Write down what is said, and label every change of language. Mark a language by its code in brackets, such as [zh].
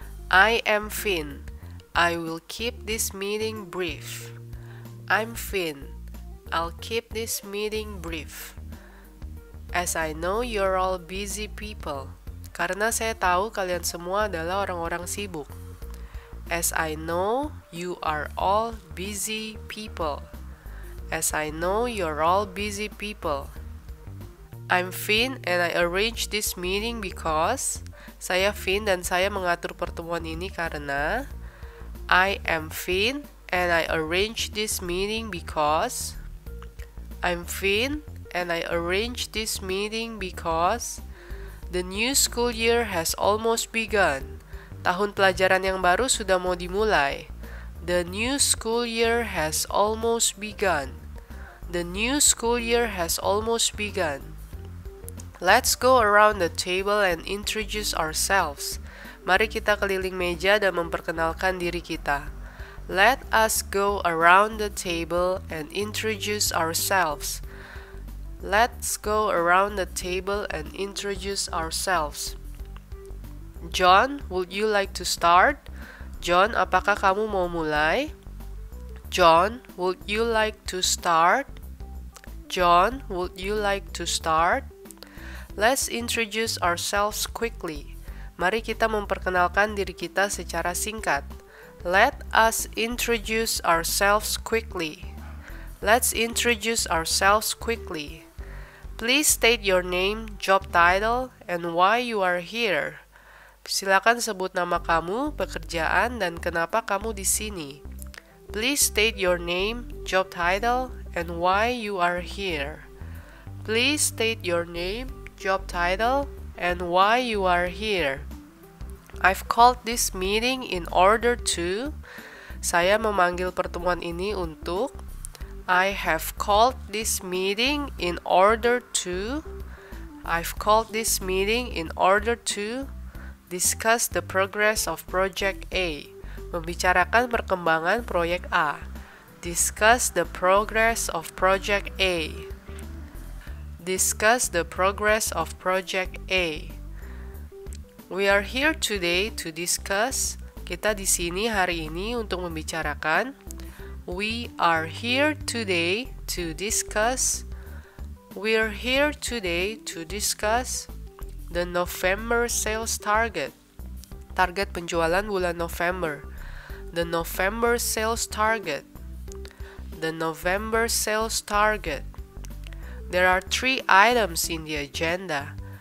[en] I am Finn. I will keep this meeting brief. I'm Finn. I'll keep this meeting brief. As I know you're all busy people. [id] Karena saya tahu kalian semua adalah orang-orang sibuk. [en] As I know, you are all busy people. As I know, you're all busy people. I'm Finn and I arrange this meeting because... [id] Saya Finn dan saya mengatur pertemuan ini karena... [en] I am Finn and I arrange this meeting because... I'm Finn and I arrange this meeting because... The new school year has almost begun. [id] Tahun pelajaran yang baru sudah mau dimulai. [en] The new school year has almost begun. The new school year has almost begun. Let's go around the table and introduce ourselves. [id] Mari kita keliling meja dan memperkenalkan diri kita. [en] Let us go around the table and introduce ourselves. Let's go around the table and introduce ourselves. John, would you like to start? [id] John, apakah kamu mau mulai? [en] John, would you like to start? John, would you like to start? Let's introduce ourselves quickly. [id] Mari kita memperkenalkan diri kita secara singkat. [en] Let us introduce ourselves quickly. Let's introduce ourselves quickly. Please state your name, job title, and why you are here. [id] Silakan sebut nama kamu, pekerjaan, dan kenapa kamu di sini. [en] Please state your name, job title, and why you are here. Please state your name, job title, and why you are here. I've called this meeting in order to... [id] Saya memanggil pertemuan ini untuk... [en] I have called this meeting in order to discuss the progress of project A. [id] Membicarakan perkembangan proyek A. [en] Discuss the progress of project A. Discuss the progress of project A. We are here today to discuss. [id] Kita di sini hari ini untuk membicarakan. [en] We are here today to discuss. We're here today to discuss the November sales target. [id] Target penjualan bulan November. [en] The November sales target. The November sales target. There are three items in the agenda.